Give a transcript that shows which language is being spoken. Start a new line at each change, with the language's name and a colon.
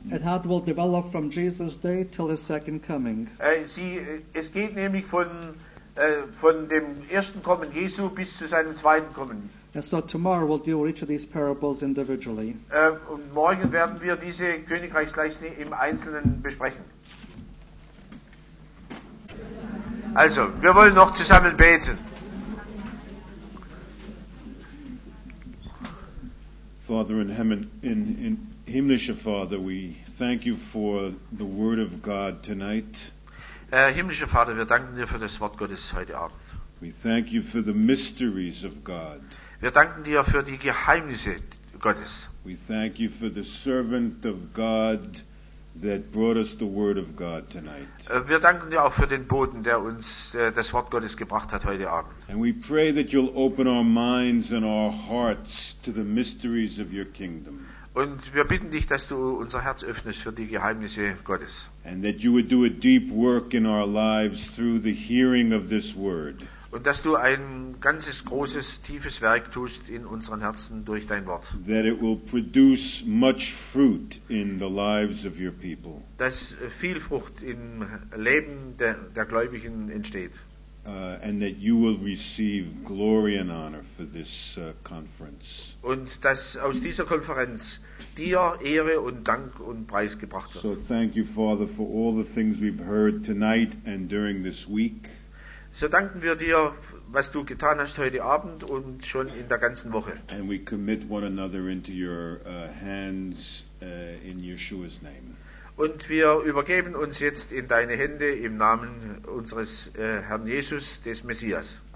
English: And how it will develop from Jesus' day till his second coming.
German: Es geht nämlich von dem ersten Kommen Jesu bis zu seinem zweiten Kommen.
English: And so tomorrow we'll deal with each of these parables individually.
German: Und morgen werden wir diese Königreichsgleichnisse im Einzelnen besprechen. Also, wir wollen noch zusammen beten.
English: Father in heaven,
German: in himmlischer Vater,
English: we thank you for the word of God tonight.
German: Himmlischer Vater, wir danken dir für das Wort Gottes heute Abend.
English: We thank you for the mysteries of God.
German: Wir danken dir für die Geheimnisse Gottes.
English: We thank you for the servant of God that brought us the word of God tonight.
German: Wir danken dir auch für den Boten, der uns das Wort Gottes gebracht hat heute Abend.
English: And we pray that you'll open our minds and our hearts to the mysteries of your kingdom.
German: Und wir bitten dich, dass du unser Herz öffnest für die Geheimnisse Gottes.
English: And that you would do a deep work in our lives through the hearing of this word.
German: Und dass du ein ganzes, großes, tiefes Werk tust in unseren Herzen durch dein Wort.
English: That it will produce much fruit in the lives of your people.
German: Dass viel Frucht im Leben der Gläubigen entsteht.
English: And that you will receive glory and honor for this conference.
German: Und dass aus dieser Konferenz dir Ehre und Dank und Preis gebracht wird.
English: So thank you, Father, for all the things we've heard tonight and during this week.
German: So danken wir dir, was du getan hast heute Abend und schon in der ganzen Woche.
English: And we commit one another into your hands in Yeshua's name.
German: Und wir übergeben uns jetzt in deine Hände im Namen unseres Herrn Jesus, des Messias.